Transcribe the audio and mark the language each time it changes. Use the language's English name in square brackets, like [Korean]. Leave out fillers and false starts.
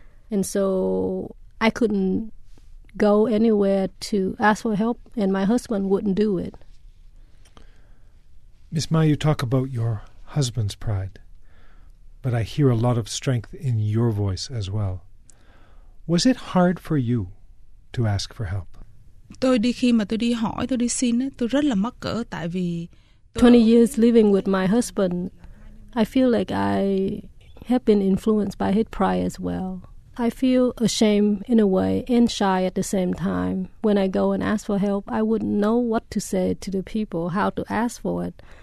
[English] And so I couldn't go anywhere to ask for help, and my husband wouldn't do it. Miss Mai, you talk about your husband's pride, but I hear a lot of strength in your voice as well. Was it hard for you to ask for help? [Vietnamese] Tôi đi khi mà tôi đi hỏi, tôi đi xin, tôi rất là mắc cỡ tại vì... [English] 20 years living with my husband, I feel like I have been influenced by his pride as well. I feel ashamed in a way and shy at the same time. When I go and ask for help, I wouldn't know what to say to the people, how to ask for it.